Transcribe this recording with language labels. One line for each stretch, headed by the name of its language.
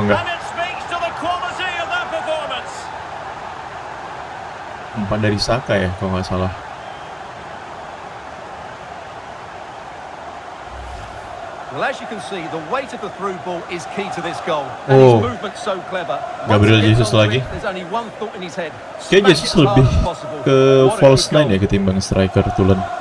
English: and it speaks to the quality of that performance.
Indonesian: 4 dari Saka ya, kalau nggak salah.
English: Well, as you can see, the weight of the through ball is key to this goal. Oh. And his movement so clever.
Indonesian: Gabriel Jesus lagi.
English: There's only one thought in his head.
Indonesian: Kayaknya Jesus lebih ke false nine ya ketimbang striker tulen.